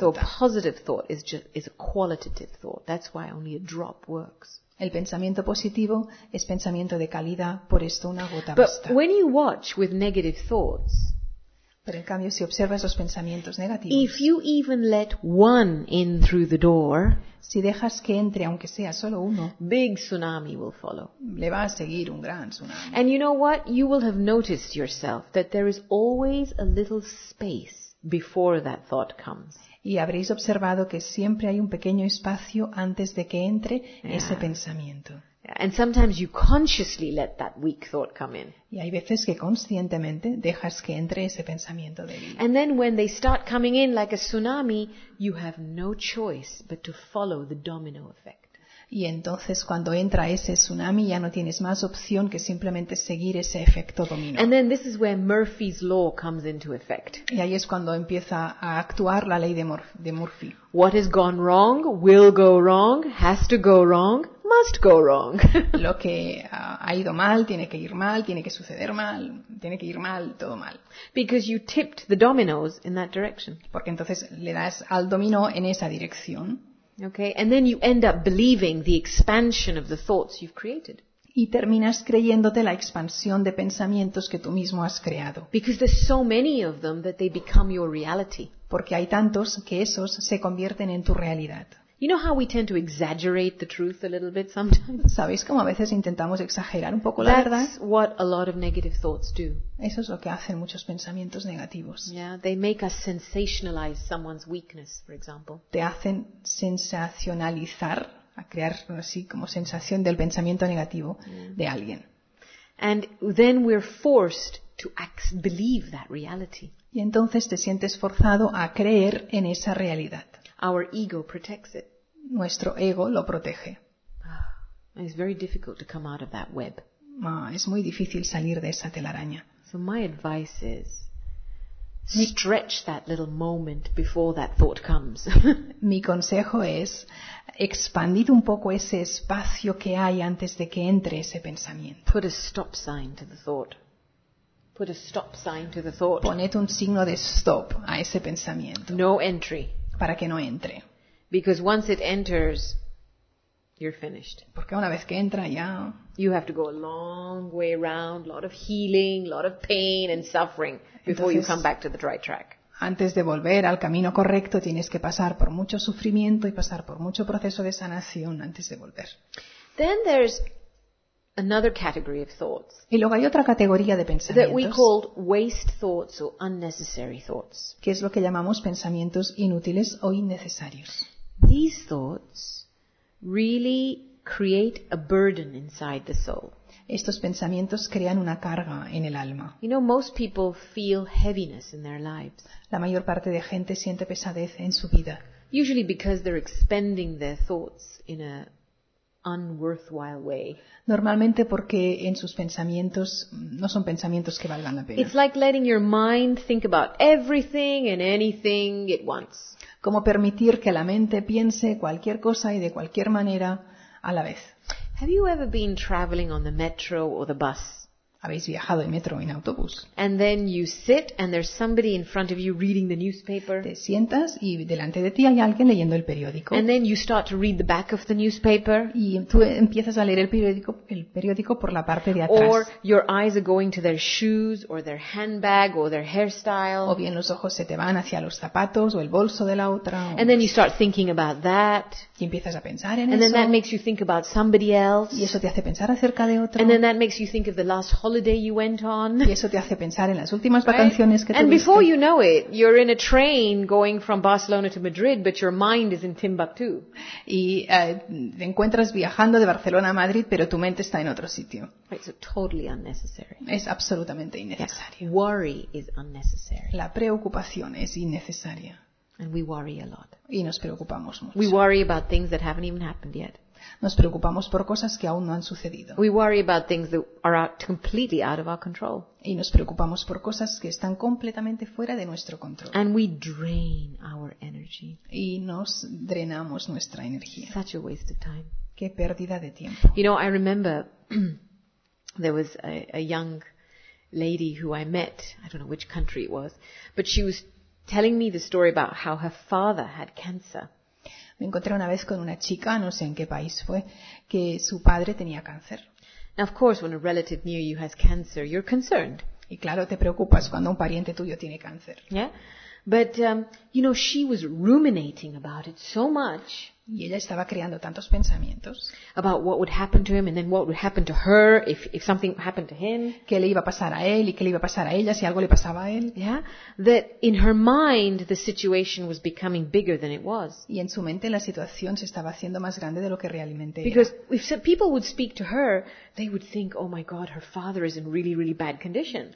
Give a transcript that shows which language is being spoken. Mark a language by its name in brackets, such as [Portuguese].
[English] So a positive thought is a qualitative thought. That's why only a drop works. [Spanish] El pensamiento positivo es pensamiento de calidad, por esto una gota basta. [English] But when you watch with negative thoughts, [Spanish] pero en cambio si observas los pensamientos negativos, [English] if you even let one in through the door, [Spanish] si dejas que entre aunque sea solo uno, [English] big tsunami will follow. [Spanish] Le va a seguir un gran tsunami. [English] And you know what? You will have noticed yourself that there is always a little space before that thought comes. [Spanish] Y habréis observado que siempre hay un pequeño espacio antes de que entre ese pensamiento. [English] And sometimes you consciously let that weak thought come in. [Spanish] Y hay veces que conscientemente dejas que entre ese pensamiento débil. [English] And then when they start coming in like a tsunami, you have no choice but to follow the domino effect. [Spanish] Y entonces cuando entra ese tsunami ya no tienes más opción que simplemente seguir ese efecto dominó. [English] And then this is where Murphy's law comes into effect. [Spanish] Y ahí es cuando empieza a actuar la ley de Murphy. [English] What has gone wrong will go wrong, has to go wrong. Must go wrong. [Spanish] Lo que ha ido mal tiene que ir mal, tiene que suceder mal, tiene que ir mal, todo mal. [English] Because you tipped the dominoes in that direction. [Spanish] Porque entonces le das al dominó en esa dirección. [English] Okay, and then you end up believing the expansion of the thoughts you've created. [Spanish] Y terminas creyéndote la expansión de pensamientos que tú mismo has creado. [English] Because there's so many of them that they become your reality. [Spanish] Porque hay tantos que esos se convierten en tu realidad. [English] You know how we tend to exaggerate the truth a little bit sometimes? [Spanish] ¿Sabéis cómo a veces intentamos exagerar un poco la [English] That's [Spanish] verdad? [English] That's what a lot of negative thoughts do. [Spanish] Eso es lo que hacen muchos pensamientos negativos. [English] Yeah, they make us sensationalize someone's weakness, for example. [Spanish] Te hacen sensacionalizar, a crear así como sensación del pensamiento negativo de alguien. [English] And then we're forced to believe that reality. [Spanish] Y entonces te sientes forzado a creer en esa realidad. [English] Our ego protects it. [Spanish] Nuestro ego lo protege. [English] It's very difficult to come out of that web. [Spanish] Es muy difícil salir de esa telaraña. [English] So my advice is stretch that little moment before that thought comes. [Spanish] Mi consejo es expandir un poco ese espacio que hay antes de que entre ese pensamiento. [English] Put a stop sign to the thought. Put a stop sign to the thought. [Spanish] Poned un signo de stop a ese pensamiento. [English] No entry. [Spanish] Para que no entre. [English] Because once it enters, you're finished. [Spanish] Porque una vez que entra ya. [English] You have to go a long way round, lot of healing, lot of pain and suffering before [Spanish] entonces, [English] you come back to the right track. [Spanish] Antes de volver al camino correcto, tienes que pasar por mucho sufrimiento y pasar por mucho proceso de sanación antes de volver. [English] Then there's another category of thoughts. [Spanish] Y luego hay otra categoría de pensamientos. [English] That we called waste thoughts or unnecessary thoughts. [Spanish] Que es lo que llamamos pensamientos inútiles o innecesarios. [English] These thoughts really create a burden inside the soul. [Spanish] Estos pensamientos crean una carga en el alma. [English] You know, most people feel heaviness in their lives. [Spanish] La mayor parte de gente siente pesadez en su vida. [English] Usually because they're expending their thoughts in a unworthwhile way. [Spanish] Normalmente porque en sus pensamientos no son pensamientos que valgan la pena. [English] It's like letting your mind think about everything and anything it wants. [Spanish] Como permitir que la mente piense cualquier cosa y de cualquier manera a la vez. [English] Have you ever been traveling on the metro or the bus? [Spanish] ¿Habéis viajado en metro o en autobús? [English] And then you sit and there's somebody in front of you reading the newspaper. [Spanish] Te sientas y delante de ti hay alguien leyendo el periódico. [English] And then you start to read the back of the newspaper. [Spanish] Y tú empiezas a leer el periódico por la parte de atrás. [English] Or your eyes are going to their shoes or their handbag or their hairstyle. [Spanish] O bien los ojos se te van hacia los zapatos o el bolso de la otra. [English] And then you start thinking about that. [Spanish] Y empiezas a pensar en eso. [English] And then that makes you think about somebody else. [Spanish] Y eso te hace pensar acerca de otro. [English] And then that makes you think of the last holiday you went on. [Spanish] Y eso te hace pensar en las últimas vacaciones que tuviste. [English] And before you know it, you're in a train going from Barcelona to Madrid, but your mind is in Timbuktu. [Spanish] Y te encuentras viajando de Barcelona a Madrid, pero tu mente está en otro sitio. [English] It's totally unnecessary. [Spanish] Es absolutamente innecesario. [English] Worry is unnecessary. [Spanish] La preocupación es innecesaria. [English] And we worry a lot. [Spanish] Y nos preocupamos mucho. [English] We worry about things that haven't even happened yet. [Spanish] Nos preocupamos por cosas que aún no han sucedido. [English] We worry about things that are completely out of our control. [Spanish] Y nos preocupamos por cosas que están completamente fuera de nuestro control. [English] And we drain our energy. [Spanish] Y nos drenamos nuestra energía. [English] Such a waste of time. [Spanish] Qué pérdida de tiempo. [English] You know, I remember there was a young lady who I met. I don't know which country it was, but she was telling me the story about how her father had cancer. [Spanish] Me encontré una vez con una chica, no sé en qué país fue, que su padre tenía cáncer. [English] Now, of course, when a relative near you has cancer, you're concerned. [Spanish] Y claro, te preocupas cuando un pariente tuyo tiene cáncer. [English] Yeah, but you know, she was ruminating about it so much. [Spanish] Y ella estaba creando tantos pensamientos. [English] About what would happen to him, and then what would happen to her if something happened to him. [Spanish] Qué le iba a pasar a él y qué le iba a pasar a ella si algo le pasaba a él. [English] Yeah, that in her mind the situation was becoming bigger than it was. [Spanish] Y en su mente la situación se estaba haciendo más grande de lo que realmente era. [English] Because if people would speak to her, they would think, oh my God, her father is in really, really bad condition.